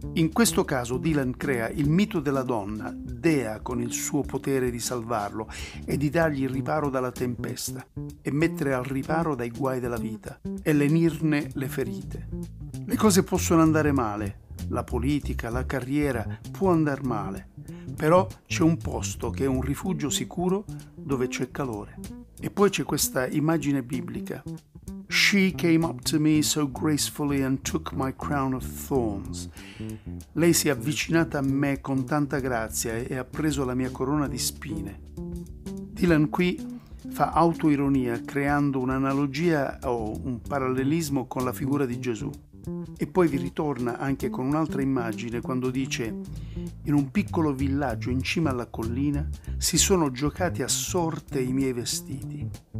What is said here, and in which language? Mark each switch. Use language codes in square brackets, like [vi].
[it] In questo caso Dylan crea il mito della donna, dea con il suo potere di salvarlo e di dargli il riparo dalla tempesta e mettere al riparo dai guai della vita e lenirne le ferite. Le cose possono andare male, la politica, la carriera può andare male, però c'è un posto che è un rifugio sicuro dove c'è calore. E poi c'è questa immagine biblica. [en] She came up to me so gracefully and took my crown of thorns. [it] Lei si è avvicinata a me con tanta grazia e ha preso la mia corona di spine. Dylan qui fa autoironia creando un'analogia o un parallelismo con la figura di Gesù. E poi vi ritorna anche con un'altra immagine quando dice: in un piccolo villaggio in cima alla collina si sono giocati a sorte i miei vestiti.